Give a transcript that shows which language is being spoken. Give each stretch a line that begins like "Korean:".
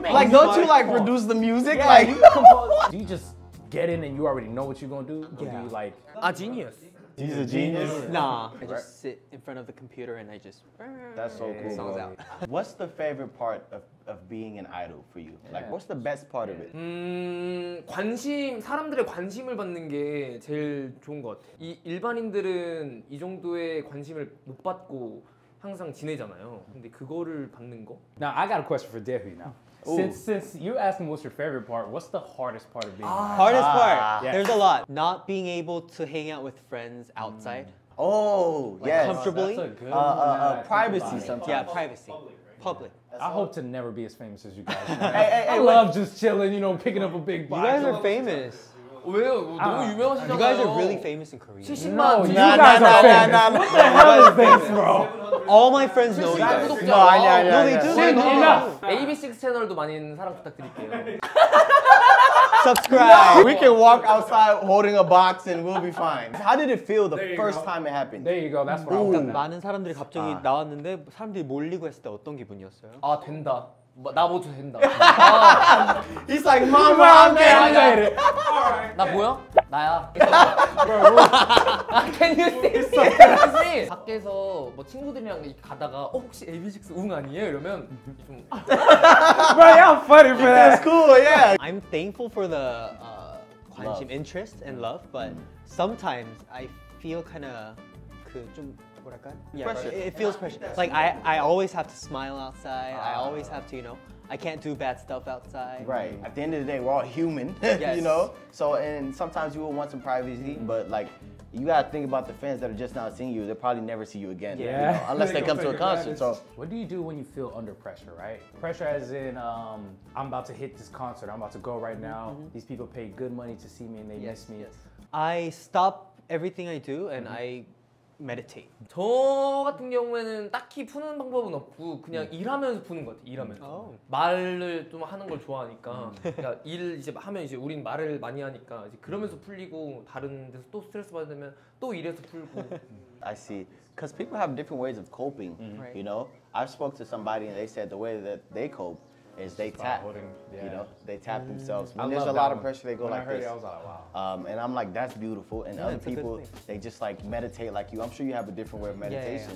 English: bro. Like, don't you like reduce the music? Yeah, like, do you just get in and you already know what you're gonna do? Yeah. Do you like? A genius. He's a genius. Nah, I just sit in front of the computer and I just. That's so cool. Songs out. What's the favorite part of being an idol for you? Like, what's the best part of it?
Korean: 관심 사람들의 관심을 받는 게 제일 좋은 것 같아. 이 일반인들은 이 정도의 관심을 못 받고 항상 지내잖아요. 근데 그거를 받는 거?
English: Now I got a question for Devi now. Since you asked me what's your favorite part, what's the hardest part of being an idol? Hardest part? Yes. There's a lot. Not being able to hang out with friends outside. Mm. Oh, like yes. Comfortably. That's a good one. Privacy sometimes. Yeah, privacy. Public. I hope to never be as famous as you guys. I love just chilling, you know, picking up a big box. You guys are famous. Why? You guys are really famous in Korea. 70,000. No, you guys are famous. What the hell is this, bro? All my friends know you guys. No, I know. No, they do.
Korean: AB6IX 채널도 많이 사랑 부탁드릴게요.
English: Subscribe. We can walk outside holding a box and we'll be fine. How did it feel the first time it happened? There you go. That's what I was thinking.
Korean: 많은 사람들이 갑자기 나왔는데 사람들이 몰리고 했을 때 어떤 기분이었어요? 아, 된다. 나 모두 된다.
English: He's like, mom, I'm getting it.
Korean: 나 보여? 나야.
English: Can you see? So crazy.
Korean: 밖에서 뭐 친구들이랑 가다가 어 혹시 AB6IX 웅 아니에요? 이러면 좀.
English: Bro, yeah, I'm funny for that. That's cool, yeah. I'm thankful for the 관심, interest, and love, but sometimes I feel kind of
Korean: 그 좀 뭐랄까?
English: Yeah, pressure. It feels pressure. Like, I always have to smile outside. I always have to, you know, I can't do bad stuff outside. Right. At the end of the day, we're all human, yes. You know? So, and sometimes you will want some privacy, mm-hmm. but, like, you gotta think about the fans that are just now seeing you. They'll probably never see you again. Yeah. You know, unless they come to a concert, so. What do you do when you feel under pressure, right? Pressure as in, I'm about to hit this concert. I'm about to go right now. Mm-hmm. These people paid good money to see me and they miss me. Yes. I stop everything I do and mm-hmm. I meditate.
Korean: 저 같은 경우에는 딱히 푸는 방법은 없고 그냥 일하면서 푸는 것 같아, 일하면서. Oh. 말을 좀 하는 걸 좋아하니까 그러니까 일 이제 하면 이제 우린 말을 많이 하니까 이제 그러면서 풀리고 다른 데서 또 스트레스 받으면 또 일해서 풀고
English: I see. Because people have different ways of coping, you know? I spoke to somebody and they said the way that they cope is they just tap, you know? They tap themselves. When there's a lot of pressure, they go when like I heard this. It, I was like, wow. And I'm like, that's beautiful. And other people, they just like meditate like you. I'm sure you have a different way of meditation.